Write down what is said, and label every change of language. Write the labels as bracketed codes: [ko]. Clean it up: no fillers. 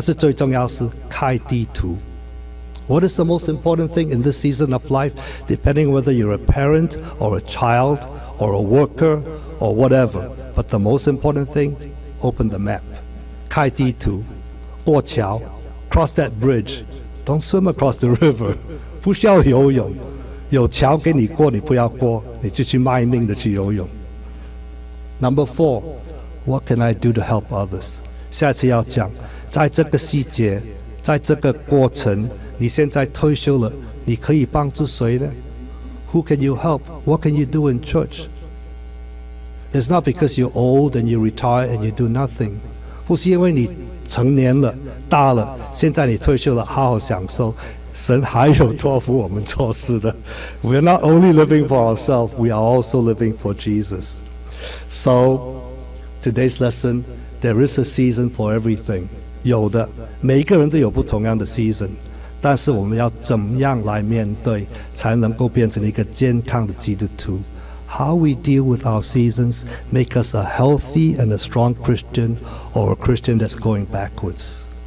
[zh] 养孩子，照顾父母，省钱，照顾身体，很多不同样的，但是最重要是开地图。 [en] What is the most important thing in this season of life, depending whether you're a parent or a child or a worker or whatever? But the most important thing, open the map. [zh] 开地图, 过桥, [en] cross that bridge. Don't swim across the river. [zh] 不需要游泳, 有桥给你过, 你不要过, 你就去卖命的去游泳。 [en] Number four, what can I do to help others? [zh] 下次要讲, 在这个细节, 在这个过程, 你现在退休了, 你可以帮助谁呢? [en] Who can you help? What can you do in church? It's not because you're old and you retire and you do nothing. [zh] 不是因为你成年了, 大了, 现在你退休了, 好好享受, 神还有托付我们做事的。 [en] We're not only living for ourselves, we are also living for Jesus. So, today's lesson, there is a season for everything. [zh] 有的, 每一个人都有不同样的season。但是我们要怎样来面对才能够变成一个健康的基督徒。 [en] How we deal with our seasons make us a healthy and a strong Christian or a Christian that's going backwards.